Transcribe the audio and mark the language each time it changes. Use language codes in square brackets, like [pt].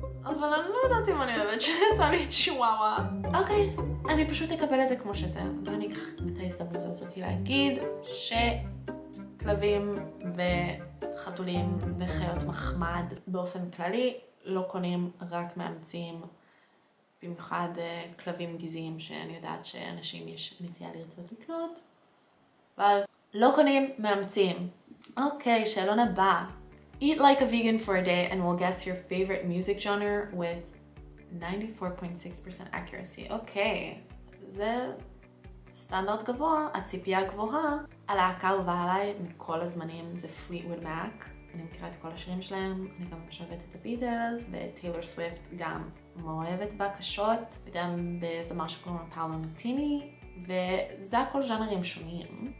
[he] אבל אני לא יודעת אם אני באמת שיצא לי צ'וואווה. אוקיי, אני פשוט אקבל את זה כמו שזה, ואני אקח את ההזדמנות הזאת להגיד שכלבים וחתולים וחיות מחמד באופן כללי לא קונים, רק מאמצים, במיוחד כלבים גזעיים שאני יודעת שאנשים יש נטייה לרצות לקנות, אבל לא קונים, מאמצים. אוקיי, שאלון הבא. [en] Eat like a vegan for a day and we'll guess your favorite music genre with 94.6% accuracy. [he] אוקיי, זה סטנדרט גבוה, הציפייה גבוהה. הלהקה אהובה עליי מכל הזמנים זה Fleetwood Mac. אני מכירה את כל השירים שלהם, אני גם אוהבת את הביטלס, וטיילור סוויפט גם מאוהבת בקשות, וגם בזמר שקוראים לו פאולו מוטיני, וזה הכל ז'אנרים שונים.